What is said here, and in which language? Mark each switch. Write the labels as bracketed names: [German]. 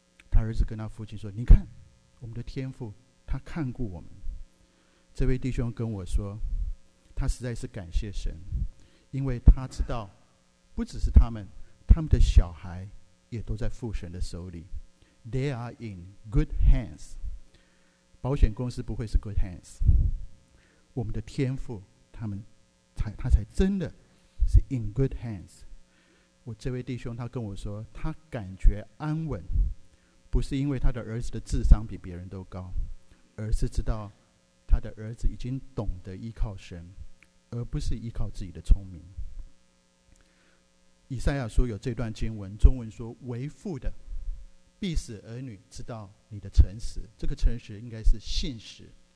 [Chinese] 他儿子跟他父亲说，你看我们的天父他看顾我们。这位弟兄跟我说，他实在是感谢神，因为他知道不只是他们，他们的小孩也都在父神的手里。 [English] They are in good hands， [Chinese] 保险公司不会是 [English] good hands， [Chinese] 我们的天父他才真的是 [English] in good hands。 [Chinese] 我这位弟兄他跟我说，他感觉安稳，不是因为他的儿子的智商比别人都高，而是知道他的儿子已经懂得依靠神，而不是依靠自己的聪明。以赛亚书有这段经文，中文说，为父的必使儿女知道你的诚实，这个诚实应该是信实。